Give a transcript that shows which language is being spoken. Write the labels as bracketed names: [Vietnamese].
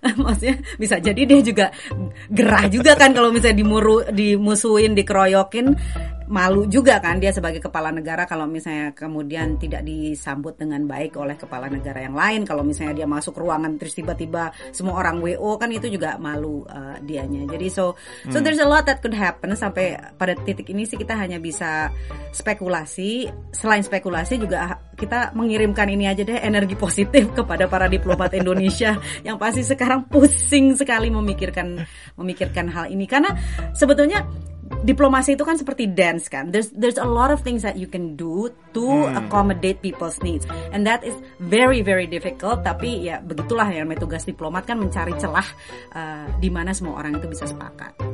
[Indonesian] Maksudnya bisa jadi dia juga gerah juga kan kalau misalnya dimusuhin, dikeroyokin. Malu juga kan dia sebagai kepala negara kalau misalnya kemudian tidak disambut dengan baik oleh kepala negara yang lain. Kalau misalnya dia masuk ruangan terus tiba-tiba semua orang WO, kan itu juga malu dianya. Jadi [English] so there's a lot that could happen. [Indonesian] Sampai pada titik ini sih kita hanya bisa spekulasi. Selain spekulasi juga kita mengirimkan ini aja deh, energi positif kepada para diplomat Indonesia yang pasti sekarang pusing sekali memikirkan hal ini. Karena sebetulnya diplomasi itu kan seperti dance kan. [English] There's a lot of things that you can do to accommodate people's needs. And that is very very difficult. [Indonesian] Tapi ya begitulah ya, tugas diplomat kan mencari celah di mana semua orang itu bisa sepakat.